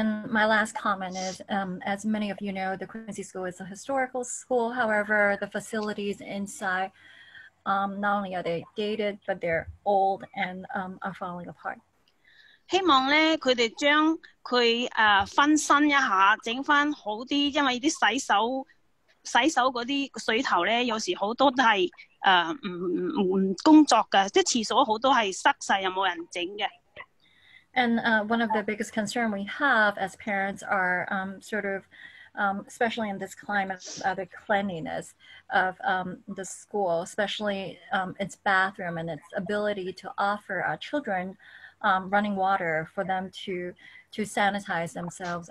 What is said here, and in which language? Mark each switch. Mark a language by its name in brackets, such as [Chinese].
[English] my last comment is, as many of you know, the Quincy School is a historical school. However, the facilities inside, not only are they dated, but they're old and are falling apart. [Cantonese] 希望他们将它翻新一下,整翻好一点,因为洗手 洗手那些水喉呢,有時很多都是不工作的,廁所很多是塞,又沒有人整的。And [English] one of the biggest concerns we have as parents are sort of, especially in this climate, the cleanliness of the school, especially its bathroom and its ability to offer our children running water for them to sanitize themselves.